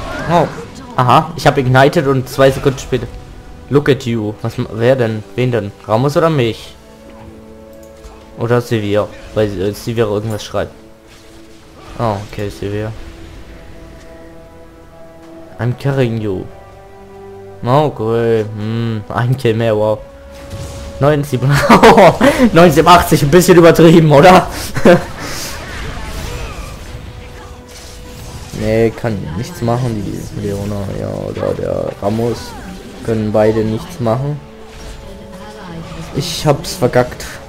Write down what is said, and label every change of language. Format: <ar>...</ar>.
<de>Oh, aha, ich habe ignited und 2 Sekunden später.</de> <en>Look at you.</en> <de>Was, wer denn? Wen denn? Ramos oder mich? Oder Sevilla? Weil Sevilla irgendwas schreibt.</de> <en>Oh, okay, Sevilla. I'm carrying you.</en> <de>Oh, cool. Ein Kill mehr, wow. 1987, ein bisschen übertrieben, oder? Nee, kann nichts machen, die Leona, ja, oder der Ramos. Können beide nichts machen. Ich hab's vergackt.</de>